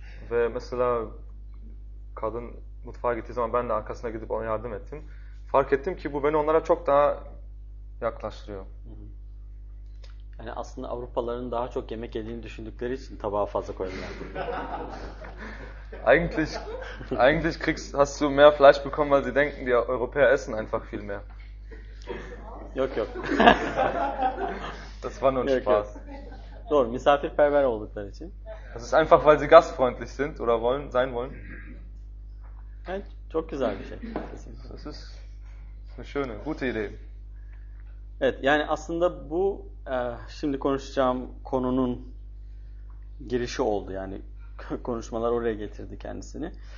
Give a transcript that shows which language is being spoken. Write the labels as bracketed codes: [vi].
[tr] Ve mesela kadın mutfağa gittiği zaman ben de arkasına gidip ona yardım ettim. Fark ettim ki bu beni onlara çok daha yaklaştırıyor. Yani aslında Avrupalıların daha çok yemek yediğini düşündükleri için tabağa fazla koydular. [de] eigentlich hast du mehr Fleisch bekommen, weil sie denken, die Europäer essen einfach viel mehr. [tr] Yok yok. [de] Das war nur ein Spaß. [tr] Doğru, misafirperver oldukları için. [de] Das ist einfach, weil sie gastfreundlich sind oder wollen sein wollen. [tr] Evet, çok güzel bir şey. [de] Das ist eine schöne, gute Idee. [tr] Evet, yani aslında bu şimdi konuşacağım konunun girişi oldu. Yani konuşmalar oraya getirdi kendisini.